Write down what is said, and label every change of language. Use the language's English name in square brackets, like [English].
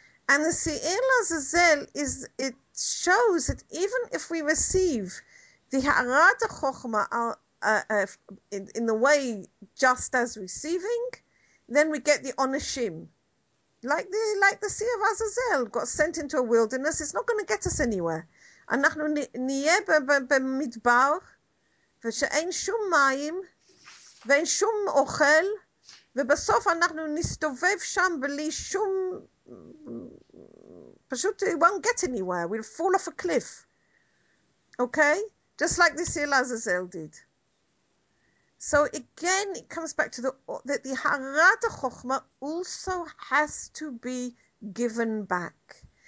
[English] And the Se'ir Azazel is, it shows that even if we receive the Harad Chochmah in the way just as receiving, then we get the Onashim. Like the Sea of Azazel got sent into a wilderness, it's not going to get us anywhere. [Hebrew] אנחנו נהיה במדבר, ושאין שום מים, ואין שום אוכל, ובסוף אנחנו נסתובב שם בלי שום... [English] פשוט, it won't get anywhere. We'll fall off a cliff. Okay? Just like the Sea of Azazel did. So again, it comes back to the Harad Chochmah also has to be given back.